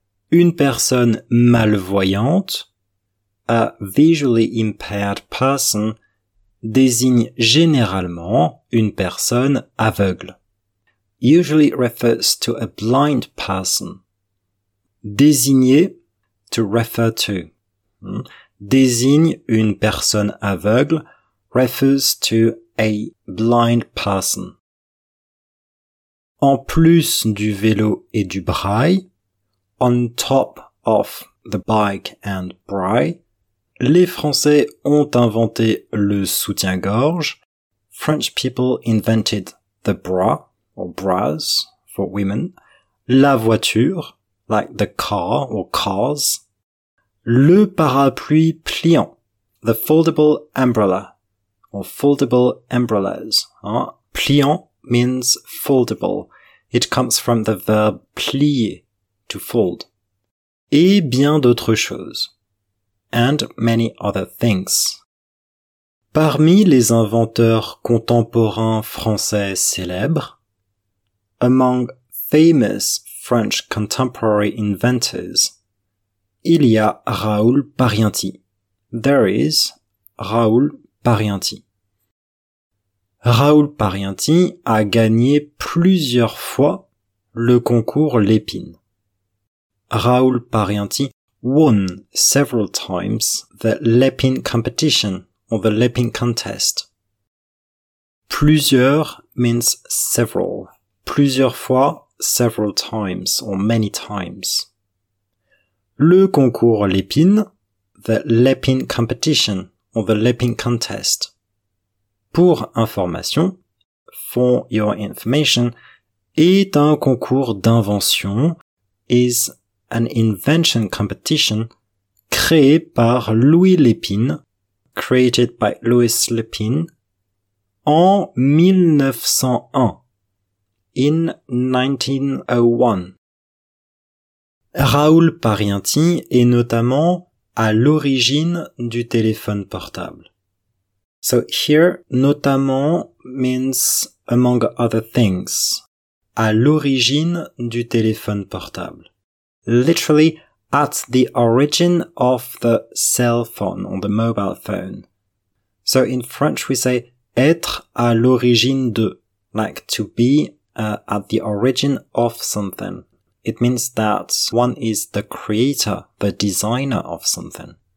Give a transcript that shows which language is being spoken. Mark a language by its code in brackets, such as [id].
[fr] Une personne malvoyante, [en] a visually impaired person, [fr] désigne généralement une personne aveugle. [en] Usually refers to a blind person. Désigner, to refer to. [fr] Désigne une personne aveugle, [en] refers to a blind person. [fr] En plus du vélo et du braille, [en] on top of the bike and braille, [fr] les Français ont inventé le soutien-gorge. [en] French people invented the bra, or bras, for women. [fr] La voiture, [en] like the car, or cars. [fr] Le parapluie pliant, [en] the foldable umbrella, or foldable umbrellas. Pliant means foldable. It comes from the verb plier, to fold. [fr] Et bien d'autres choses. [en] And many other things. [fr] Parmi les inventeurs contemporains français célèbres, [en] among famous French contemporary inventors, [fr] il y a Raoul Parianti. [en] There is Raoul Parianti. [fr] Raoul Parianti a gagné plusieurs fois le concours Lépine. [en] Raoul Parianti won several times the Lépine competition or the Lépine contest. Plusieurs means several. [fr] Plusieurs fois, [en] several times or many times. [fr] Le concours Lépine, [en] the Lépine competition or the Lépine contest. [fr] Pour information, [en] for your information, [fr] est un concours d'invention, [en] is an invention competition [fr] créé par Louis Lépine, [en] created by Louis Lépine, [fr] en 1901. [en] In 1901. [fr] Raoul Parianti est notamment à l'origine du téléphone portable. [en] So here, notamment means among other things. [fr] À l'origine du téléphone portable. [en] Literally, at the origin of the cell phone, or the mobile phone. So in French we say [fr] être à l'origine de, [en] like to be at the origin of something. It means that one is the creator, the designer of something.